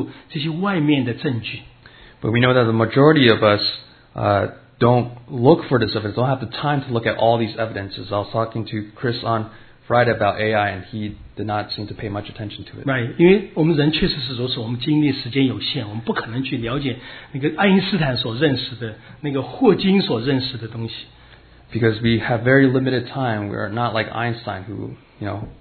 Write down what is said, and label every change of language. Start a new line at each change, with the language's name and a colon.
Chinese: Chris在聊天的时候，其实他对人工智能他根本就不
English: follow，
Chinese: 对吧？我们绝大部分人其实不去，没有时间去求助这些外面的证据。
English: But we know that the majority of us don't look for this evidence, don't have the time to look at all these evidences. I was talking to Chris on Friday about AI, and he did not seem to pay much attention to it. Right，
Chinese: 因为我们人确实是如此，我们精力时间有限，我们不可能去了解那个爱因斯坦所认识的、那个霍金所认识的东西。
English: Because we have very limited time, we are not like Einstein who, you know,